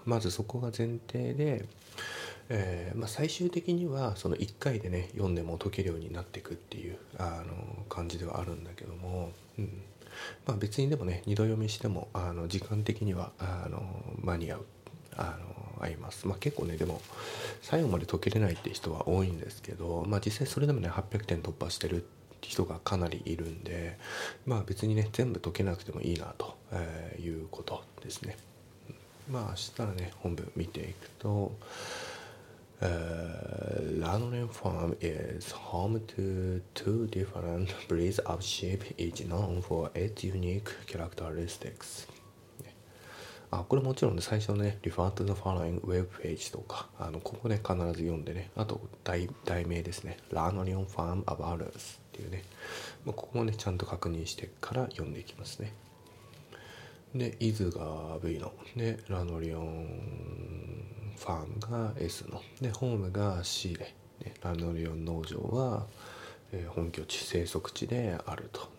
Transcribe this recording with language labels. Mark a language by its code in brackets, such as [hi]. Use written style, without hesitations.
[ja] まずそこが前提で、まあ、最終的にはその一回でね読んでも解けるようになっていくっていう感じではあるんだけども、うん、まあ、別にでもね二度読みしても時間的には間に合う、合います。まあ、結構ねでも最後まで解けれないって人は多いんですけど、まあ、実際それでもね800点突破してる人がかなりいるんで、まあ別にね全部解けなくてもいいなと、いうことですね。まあしたらね本文見ていくと、 [en] Lanolin farm is home to two different breeds of sheep, each known for its unique characteristics。 [ja] あ、これもちろん、ね、最初のね [en] Refer to the following web page [ja] とか、ここね必ず読んでね、あと 題名ですね、 Lanolin farm about usいうね、まあ、ここもねちゃんと確認してから読んでいきますね。で「is」が V の、で「ラノリオンファーム」が S ので、「ホーム」が C で、ね「ラノリオン農場は」は、本拠地生息地であると。